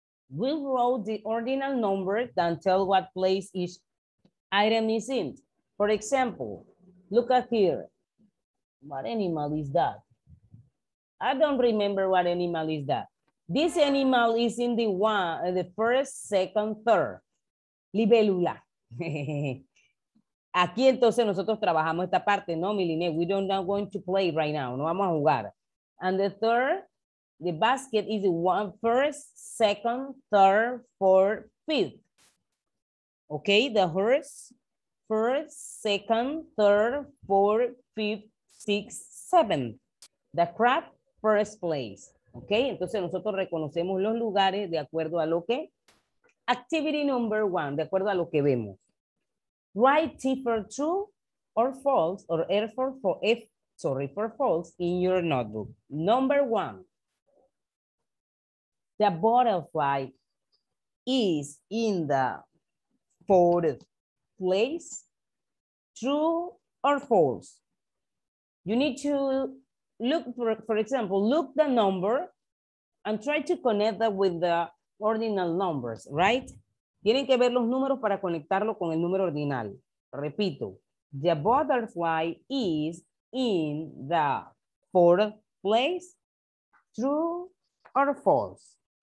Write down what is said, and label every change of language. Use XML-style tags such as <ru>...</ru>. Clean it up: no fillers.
<en>We wrote the ordinal number and tell what place each item is in. For example, look at here. What animal is that? I don't remember what animal is that. This animal is in the one, the first, second, third.</en> <es>Libélula. Aquí entonces nosotros trabajamos esta parte, ¿no, Miline?</es> <en>We don't not going to play right now.</en> <es>No vamos a jugar.</es> <en>And the third, the basket is one, first, second, third, fourth, fifth. Okay, the horse, first, second, third, fourth, fifth, sixth, seventh. The crab, first place.</en> <es>Okay, entonces nosotros reconocemos los lugares de acuerdo a lo que.</es> <en>Activity number one,</en> <es>de acuerdo a lo que vemos.</es> <en>Write T for true or false, or R for F, sorry, for false, in your notebook. Number one, the butterfly is in the fourth place. True or false? You need to look, for example, look the number and try to connect that with the ordinal numbers, right?</en> <es>Tienen que ver los números para conectarlo con el número ordinal.</es> <en>Repito, the butterfly is in the fourth place. True or false?</en>